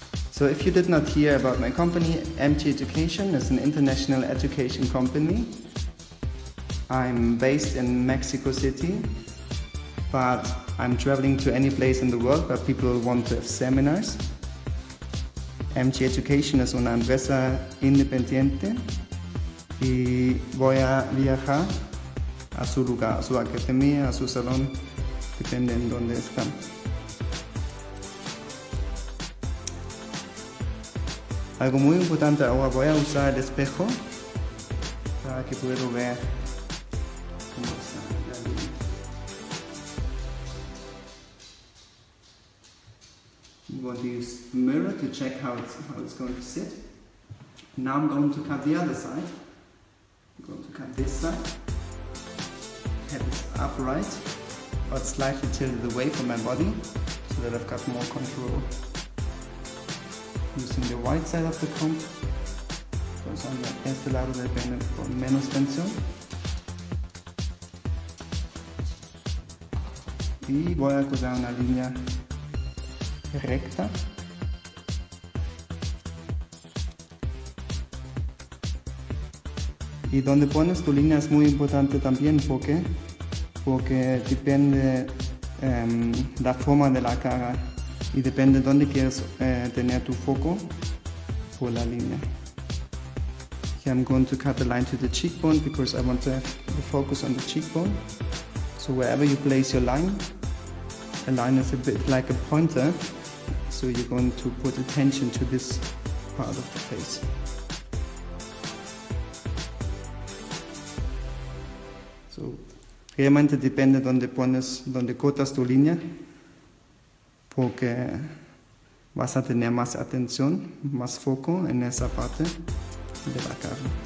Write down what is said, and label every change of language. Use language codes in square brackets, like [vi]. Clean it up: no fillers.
[en] So if you did not hear about my company, MT Education is an international education company. I'm based in Mexico City, but I'm traveling to any place in the world where people want to have seminars. [es] MT Education es una empresa independiente y voy a viajar a su lugar, a su academia, a su salón, depende en donde están. Algo muy importante, ahora voy a usar el espejo para que pueda ver cómo está la línea. [en] I'm going to use the mirror to check how it's going to sit. Now I'm going to cut the other side. I'm going to cut this side. Head is upright, but slightly tilted away from my body so that I've got more control. Using the right side of the comb. [es] Entonces, en este lado depende con menos tensión. Y voy a cruzar una línea recta. Y donde pones tu línea es muy importante también, porque depende la forma de la cara y depende dónde quieres tener tu foco por la línea. [en] Here I'm going to cut the line to the cheekbone because I want to have the focus on the cheekbone. So wherever you place your line, a line is a bit like a pointer, so you're going to put attention to this part of the face. [es] So realmente depende donde pones, donde cortas tu línea, porque vas a tener más atención, más foco en esa parte de la cara.